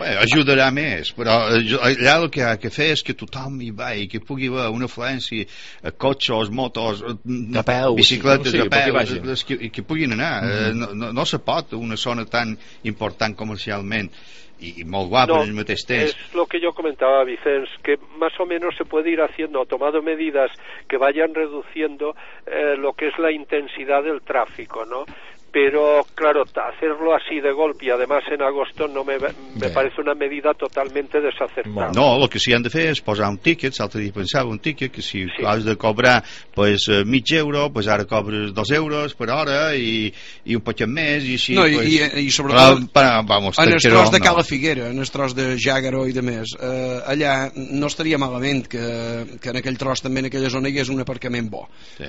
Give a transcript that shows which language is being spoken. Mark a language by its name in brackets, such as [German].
[Catalan] Ajudarà més, però allà el que ha que fer és que tothom hi va i que pugui haver una afluència, cotxes, motos, bicicletes, que puguin anar. No se pot una zona tan important comercialment i molt guapa en el mateix temps. [Spanish] És el que jo comentava, Vicenç, que más o menos se puede ir haciendo, tomando medidas que vayan reduciendo lo que es la intensidad del tráfico, ¿no? Pero claro, hacerlo así de golpe y además en agosto no me parece una medida totalmente desacertada. [Catalan] No, lo que sí han de fer és posar un tiquet. L'altre dia pensava un tiquet que si sí. Has de cobrar pues mig euro, pues ara cobres 2 euros per hora i un poquet més i així. No, pues, i sobretot en el tros de Cala Figuera, en el tros de Jàgaro i de més, allà no estaria malament que en aquell tros, també en aquella zona, hi hagués un aparcament bo. Sí.